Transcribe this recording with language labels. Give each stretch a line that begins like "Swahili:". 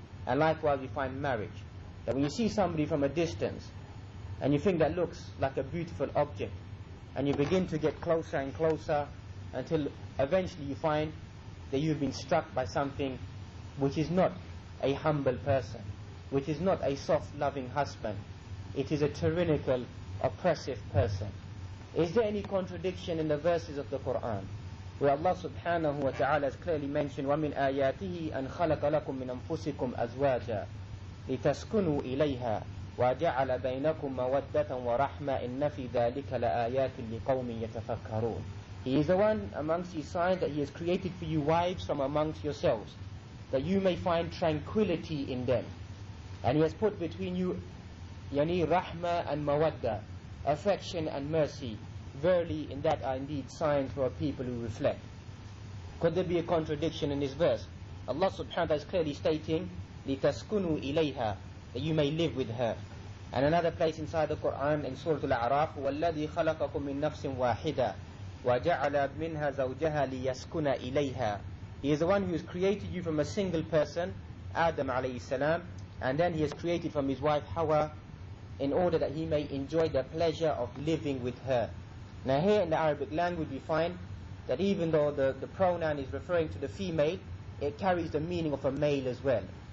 English: And likewise, you find marriage. That when you see somebody from a distance, and you think that looks like a beautiful object, and you begin to get closer and closer, until eventually you find that you've been struck by something which is not a humble person, which is not a soft, loving husband. It is a tyrannical, oppressive person. Is there any contradiction in the verses of the Quran, where Allah subhanahu wa ta'ala has clearly mentioned,
Arabic: وَمِنْ آيَاتِهِ أَنْ خَلَقَ لَكُمْ مِنْ أَنفُسِكُمْ أَزْوَاجًا لِتَسْكُنُوا إِلَيْهَا وَجَعَلَ بَيْنَكُمْ مَوَدَّةً وَرَحْمَةً إِنَّ فِي ذَلِكَ لَآيَاتٍ لِقَوْمٍ يَتَفَكَّرُونَ.
English: He is the one amongst you signs that he has created for you wives from amongst yourselves, that you may find tranquility in them. And he has put between you yani rahma and mawadda, affection and mercy. Verily in that are indeed signs for a people who reflect. Could there be a contradiction in this verse? Allah subhanahu wa ta'ala is clearly stating,
Arabic: لِتَسْكُنُوا إِلَيْهَا,
English: that you may live with her. And another place inside the Quran in Surah Al-A'raf,
Arabic: وَالَّذِي خَلَقَكُم مِّن نَفْسٍ وَاحِدًا وَجَعَلَ مِنْهَا زَوْجَهَا لِيَسْكُنَ إِلَيْهَا.
English: He is the one who has created you from a single person, Adam alayhi salam, and then he has created from his wife Hawa in order that he may enjoy the pleasure of living with her. Now here in the Arabic language we find that even though the pronoun is referring to the female, it carries the meaning of a male as well.